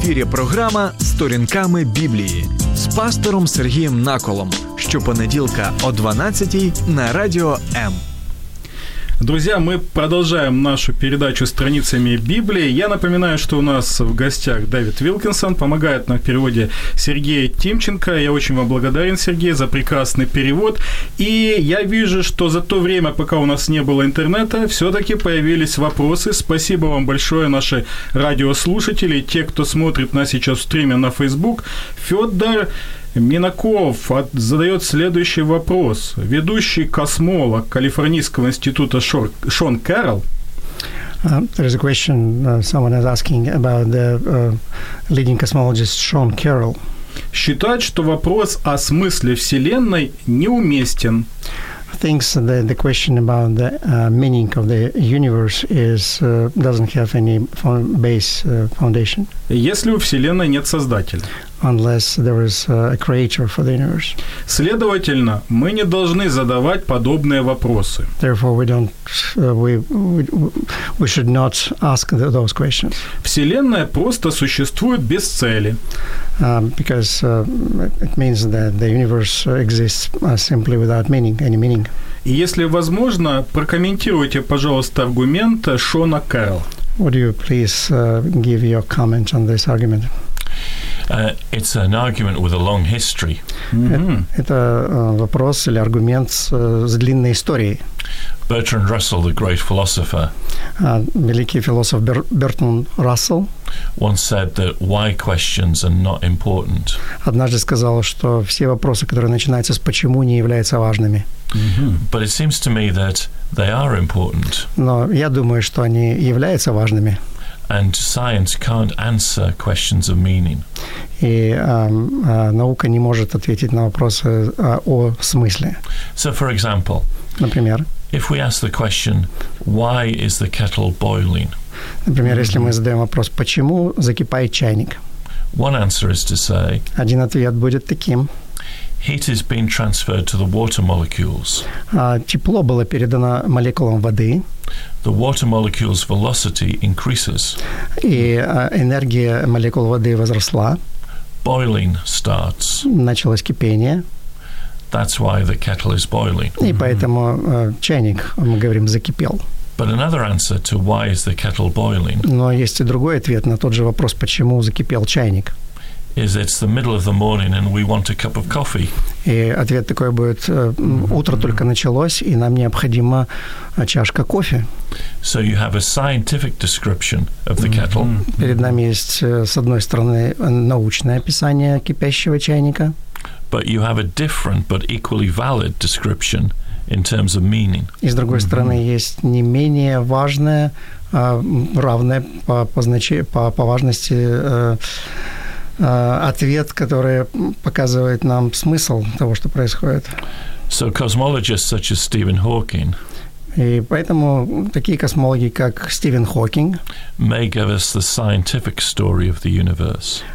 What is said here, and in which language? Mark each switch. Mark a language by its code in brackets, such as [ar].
[uk] Програма «Сторінками Біблії» з пастором Сергієм Наколом. Щопонеділка о 12:00 на Радіо М. [ru] Друзья, мы продолжаем нашу передачу страницами Библии. Я напоминаю, что у нас в гостях Дэвид Вилкинсон, помогает нам в переводе Сергея Тимченко. Я очень вам благодарен, Сергей, за прекрасный перевод. И я вижу, что за то время, пока у нас не было интернета, все-таки появились вопросы. Спасибо вам большое, наши радиослушатели, те, кто смотрит нас сейчас в стриме на Facebook. Федор Минаков задает следующий вопрос. Ведущий космолог Калифорнийского института Шон Кэрролл. [en] There is a question someone is asking about the leading cosmologist Шон Кэрролл. [ru] Считает, что вопрос о смысле Вселенной неуместен. [en] thinks that the question about the meaning of the universe is doesn't have any base foundation. [ru] Если у Вселенной нет создателя. [en] Unless there is a creator for the universe. [ru] Следовательно, мы не должны задавать подобные вопросы. [en] Therefore, we should not ask those questions. [ru] Вселенная просто существует без цели. [en] Because it means that the universe exists simply without meaning, any meaning. И если возможно, прокомментируйте, пожалуйста, аргумент Шона Кэрролл. Would you please give your comment on this argument? It's an argument with a long history. [ru] Это вопрос или аргумент с длинной историей. [en] Bertrand Russell, the great philosopher. [ru] Великий философ Бертон Рассел. [en] Once said that why questions are not important. [ru] Однажды сказал, что все вопросы, которые начинаются с почему, не являются важными. [en] But it seems to me that they are important. [ru] Но я думаю, что они являются важными. [en] And science can't answer questions of meaning. [ru] И наука не может ответить на вопросы о смысле. [en] So, for example, [ru] например, [en] if we ask the question, why is the kettle boiling? [ru] Например, если мы задаем вопрос, почему закипает чайник? [en] One answer is to say, [ru] один ответ будет таким. [en] Heat is being transferred to the water molecules. [ru] Тепло было передано молекулам воды. [en] The water molecules' velocity increases. [ru] И энергия молекул воды возросла. [en] Boiling starts. [ru] Началось кипение. [en] That's why the kettle is boiling. [ru] И поэтому чайник, мы говорим, закипел. [en] But another answer to why is the kettle boiling? [ru] Но есть и другой ответ на тот же вопрос, почему закипел чайник. [en] Is it's the middle of the morning and we want a cup of coffee. [ru] И ответ такой будет, утро только началось, и нам необходима чашка кофе. [en] So you have a scientific description of the kettle. [ru] Перед нами есть, с одной стороны, научное описание кипящего чайника. [en] But you have a different but equally valid description in terms of meaning. [ru] И с другой стороны, есть не менее важное, равное по важности ответ, который показывает нам смысл того, что происходит. [en] So cosmologists such as Stephen Hawking. [ru] И поэтому такие космологи, как Стивен Хокинг, [en] may give us the scientific story of the universe.